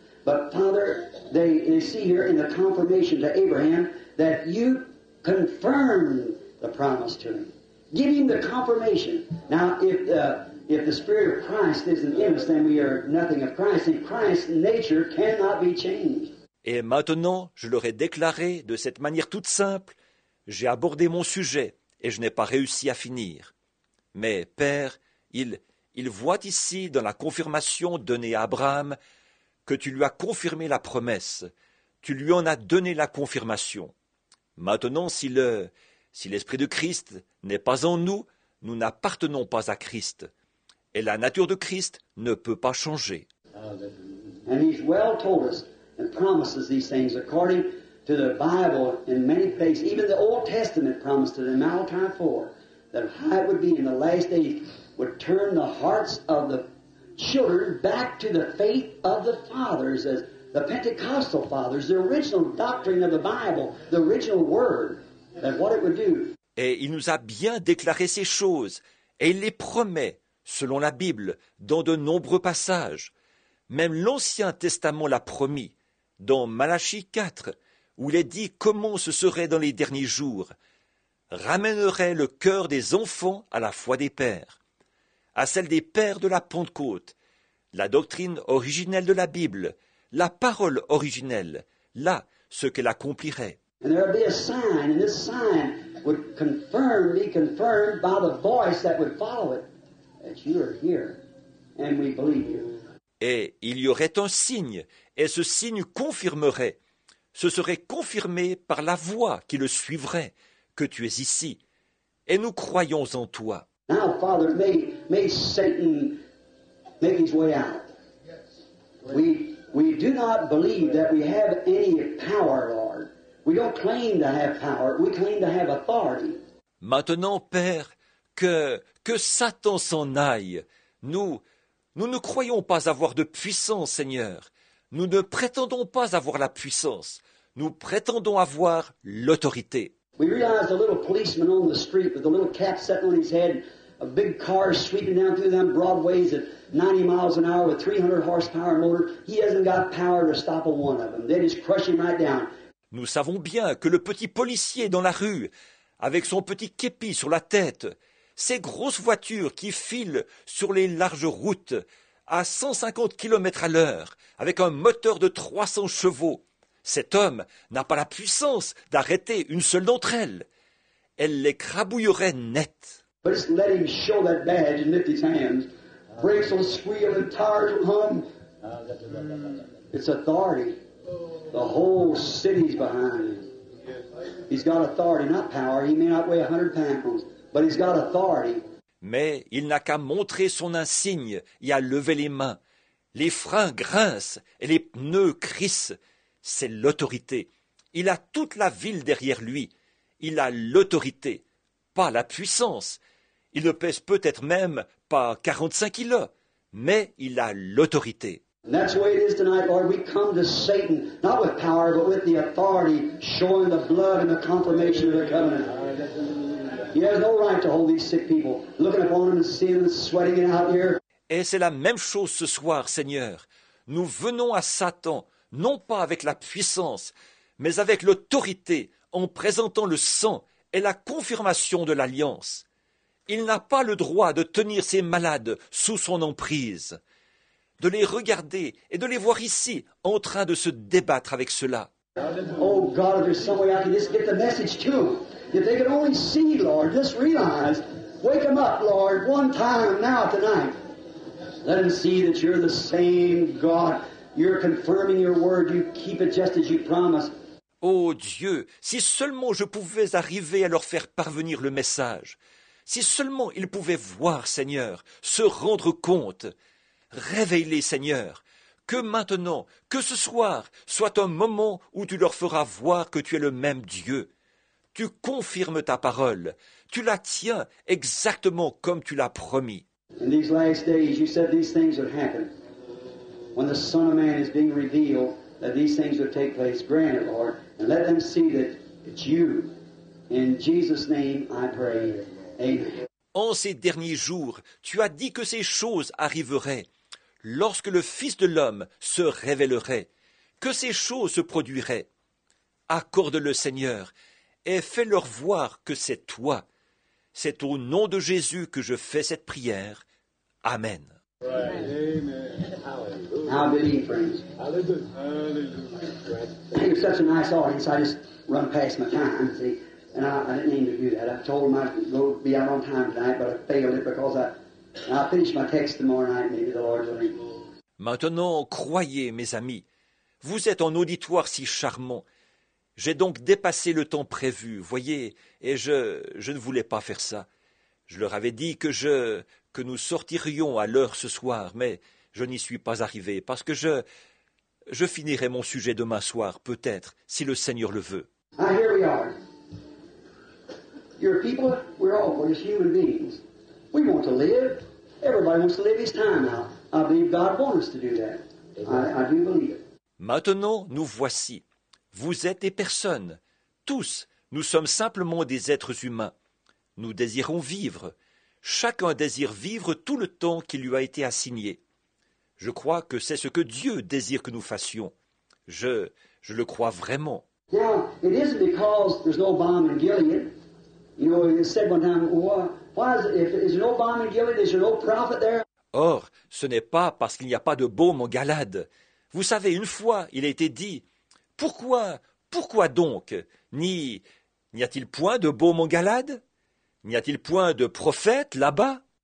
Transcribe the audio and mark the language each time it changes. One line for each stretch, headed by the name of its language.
English: But Father, they see here in the confirmation to Abraham that you confirm the promise to him. Give him the confirmation. Now, if the Spirit of Christ isn't in us, then we are nothing of Christ. And Christ's nature cannot be changed.
French: Et maintenant, je leur ai déclaré de cette manière toute simple, j'ai abordé mon sujet et je n'ai pas réussi à finir. Mais Père, Il voit ici dans la confirmation donnée à Abraham que tu lui as confirmé la promesse, tu lui en as donné la confirmation. Maintenant, si l'Esprit de Christ n'est pas en nous, nous n'appartenons pas à Christ, et la nature de Christ ne peut pas changer.
English: And he's well told us and promises these things according to the Bible in many places. Even the Old Testament promised it in Malachi 4 that it would be in the last days. Would turn the hearts of the children back to the faith of the fathers, as the Pentecostal fathers, the original doctrine of the Bible, the original word, and what it would do.
French: Et il nous a bien déclaré ces choses, et il les promet, selon la Bible, dans de nombreux passages. Même l'Ancien Testament l'a promis, dans Malachie 4, où il est dit comment ce serait dans les derniers jours. Ramènerait le cœur des enfants à la foi des pères. À celle des pères de la Pentecôte, la doctrine originelle de la Bible, la parole originelle, là, ce qu'elle accomplirait.
English: And there would be a sign, and this sign would be confirmed by the voice that would follow it, that you are here, and we believe you.
French: Et il y aurait un signe, et ce signe confirmerait, ce serait confirmé par la voix qui le suivrait, que tu es ici, et nous croyons en toi.
English: Now, Father, may Satan make his way out. We do not believe that we have any power, Lord. We don't claim to have power. We claim to have authority.
French: Maintenant, Père, que Satan s'en aille. Nous ne croyons pas avoir de puissance, Seigneur. Nous ne prétendons pas avoir la puissance. Nous prétendons avoir l'autorité.
English: We realize a little policeman on the street with a little cap set on his head. A big car sweeping down through them broadways at 90 miles an hour with 300 horsepower motor. He hasn't got power to stop a one of them. They just crush him right down.
French: Nous savons bien que le petit policier dans la rue, avec son petit képi sur la tête, ces grosses voitures qui filent sur les larges routes à 150 km à l'heure, avec un moteur de 300 chevaux, cet homme n'a pas la puissance d'arrêter une seule d'entre elles. Elle l'écrabouillerait net.
English: But just let him show that badge and lift his hands. Brakes will squeal and tires will hum. It's authority. The whole city's behind him. He's got authority, not power. He may not weigh 100 pounds, but he's got authority.
French: Mais il n'a qu'à montrer son insigne et à lever les mains. Les freins grincent et les pneus crissent. C'est l'autorité. Il a toute la ville derrière lui. Il a l'autorité, pas la puissance. Il ne pèse peut-être même pas 45 kilos, mais il a l'autorité.
English: And that's the way it is tonight, Lord. We come to Satan, not with power, but with the authority, showing the blood and the confirmation of the covenant. He has no right to hold these sick people, looking upon them and seeing them sweating it out here.
French: Et c'est la même chose ce soir, Seigneur. Nous venons à Satan, non pas avec la puissance, mais avec l'autorité, en présentant le sang et la confirmation de l'Alliance. Il n'a pas le droit de tenir ses malades sous son emprise, de les regarder et de les voir ici en train de se débattre avec cela.
English: Oh God, if there's some way I can just get the message to them. If they could only see, Lord, just realize, wake them up, Lord, one time now tonight. Let them see that you're the same God. You're confirming your word. You keep it just as you promised.
French: Oh Dieu, si seulement je pouvais arriver à leur faire parvenir le message, si seulement ils pouvaient voir, Seigneur, se rendre compte, réveille-les, Seigneur, que maintenant, que ce soir, soit un moment où tu leur feras voir que tu es le même Dieu. Tu confirmes ta parole, tu la tiens exactement comme tu l'as promis.
English: In these last days, you said these things would happen. When the Son of Man is being revealed, that these things would take place. Grant it, Lord, and let them see that it's you. In Jesus' name, I pray. Amen.
French: En ces derniers jours, tu as dit que ces choses arriveraient lorsque le Fils de l'homme se révélerait, que ces choses se produiraient. Accorde-le, Seigneur, et fais-leur voir que c'est toi. C'est au nom de Jésus que je fais cette prière. Amen. Amen. Amen.
English: Hallelujah. Now believe, friends. Hallelujah. Hallelujah. Hey, it was such a nice audience, I just run past my time, see. And I didn't mean to do that. I told them I'd go be out on time tonight, but I failed it because I'll finish my text tomorrow night, maybe the Lord's willing.
French: Maintenant, croyez, mes amis. Vous êtes en auditoire si charmant. J'ai donc dépassé le temps prévu, voyez, et je ne voulais pas faire ça. Je leur avais dit que nous sortirions à l'heure ce soir, mais je n'y suis pas arrivé, parce que je finirai mon sujet demain soir, peut-être, si le Seigneur le veut.
English: Ah, here we are. You're a people, we're all just human beings. We want to live. Everybody wants to live his time now. I believe God wants us to do that. I do believe it.
French: Maintenant, nous voici. Vous êtes des personnes. Tous, nous sommes simplement des êtres humains. Nous désirons vivre. Chacun désire vivre tout le temps qui lui a été assigné. Je crois que c'est ce que Dieu désire que nous fassions. Je le crois vraiment.
English: Now, it isn't because there's no bomb in Gilead. You know, it said one time, why is it, if there's no bomb in Gilead, is there no prophet there?
French: Or, ce n'est pas parce qu'il n'y a pas de baume en Galade. Vous savez, une fois, il a été dit, Pourquoi donc n'y a-t-il point de baume en Galade? N'y a-t-il point de prophète là-bas?